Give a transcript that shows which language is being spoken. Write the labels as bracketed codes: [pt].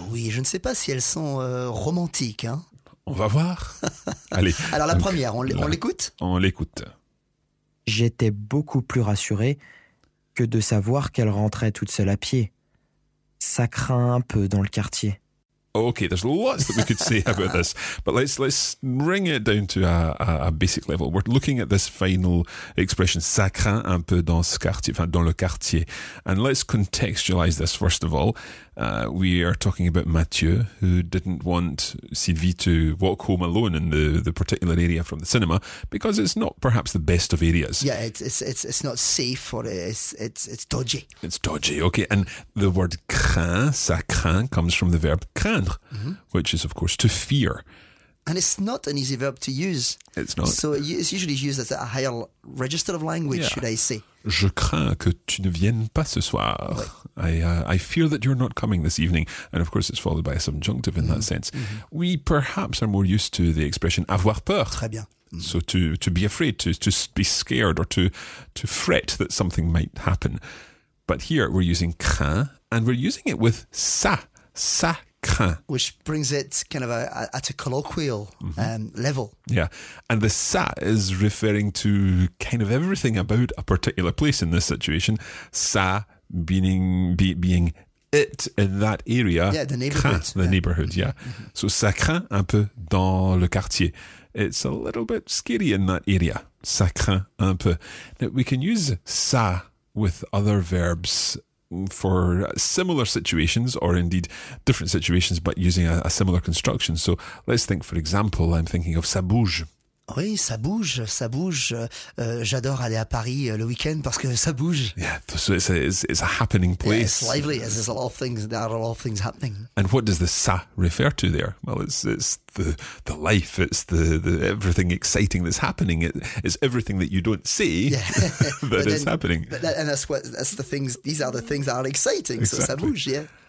[fr] Oui, je ne sais pas si elles sont romantiques, hein. On va voir. Allez. Alors la première, on l'écoute ? On l'écoute. J'étais beaucoup plus rassuré que de savoir qu'elle rentrait toute seule à pied. Ça craint un peu dans le quartier. [en] Okay, there's lots that we could say about this, but let's bring it down to a basic level. We're looking at this final expression, [fr] ça craint un peu dans ce quartier, enfin dans le quartier. [en] And let's contextualize this first of all. We are talking about Mathieu, who didn't want Sylvie to walk home alone in the particular area from the cinema because it's not perhaps the best of areas. Yeah, it's not safe or it's dodgy. It's dodgy, okay. And the word craint, ça craint, comes from the verb craindre, which is, of course, to fear. And it's not an easy verb to use. It's not. So it's usually used as a higher register of language, yeah. Should I say. [fr] Je crains que tu ne viennes pas ce soir. [en] I fear that you're not coming this evening. And of course, it's followed by a subjunctive in that sense. Mm-hmm. We perhaps are more used to the expression avoir peur. [fr] Très bien. Mm-hmm. [en] So to be afraid, to be scared or to fret that something might happen. But here we're using crains and we're using it with ça. Which brings it kind of at a colloquial level. Yeah, and the ça is referring to kind of everything about a particular place in this situation. Ça being it in that area. Yeah, the neighbourhood. Neighbourhood, yeah. Mm-hmm. [fr] So ça craint un peu dans le quartier. [en] It's a little bit scary in that area. [fr] Ça craint un peu. [en] Now, we can use ça with other verbs for similar situations or indeed different situations but using a similar construction. So let's think, for example, I'm thinking of ça bouge. [fr] Oui, ça bouge, ça bouge. J'adore aller à Paris le week-end parce que ça bouge. [en] Yeah, so it's a happening place. Yeah, it's lively, as there's a lot of things, there are a lot of things happening. And what does the ça refer to there? Well, it's the life, it's the everything exciting that's happening. It's everything that you don't see that is happening. These are the things that are exciting. Exactly. So ça bouge, yeah.